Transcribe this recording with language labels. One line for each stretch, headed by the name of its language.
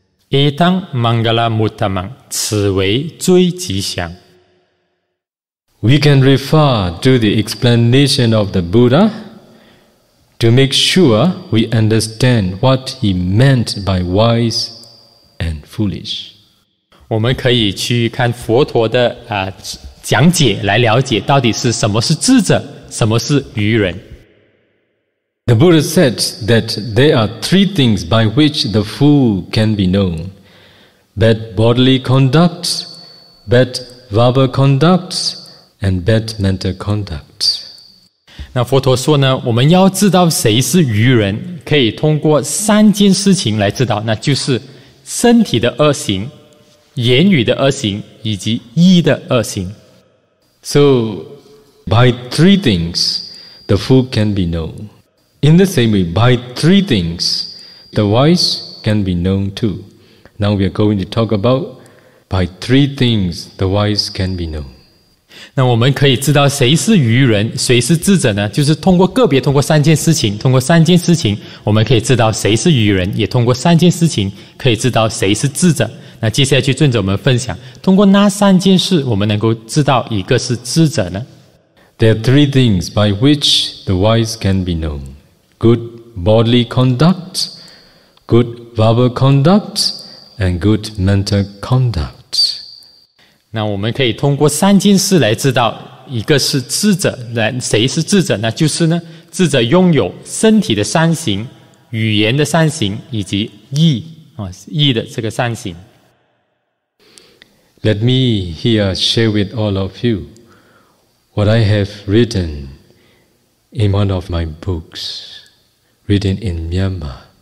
Pali: Etam mangala mutamam.
Chinese: 此为最吉祥。
English: We can refer to the explanation of the Buddha to make sure we understand what he meant by wise and foolish.
Chinese: 我们可以去看佛陀的讲解来了解到底是什么是智者，什么是愚人。
English: The Buddha said that there are three things by which the fool can be known. Bad bodily conduct, bad verbal conduct, and bad mental conduct.
Chinese: 那佛陀说呢，我们要知道谁是愚人，可以通过三件事情来知道，那就是身体的恶行、言语的恶行以及意的恶行。
English: So, by three things, the fool can be known. In the same way, by three things, the wise can be known too. Now we are going to talk about by three things, the wise can be known.
Chinese: 那我们可以知道谁是愚人，谁是智者呢？就是通过个别，通过三件事情，通过三件事情，我们可以知道谁是愚人，也通过三件事情可以知道谁是智者。那接下来去顺着我们分享，通过那三件事，我们能够知道一个是智者呢？
English: There are three things by which the wise can be known. Good bodily conduct, good verbal conduct, and good mental conduct.
Chinese: 那我们可以通过三件事来知道一个是智者，谁是智者呢？就是呢，智者拥有身体的三行、语言的三行以及意的这个三行。
English: Let me here share with all of youWhat I have written in one of my books, written in Myanmar.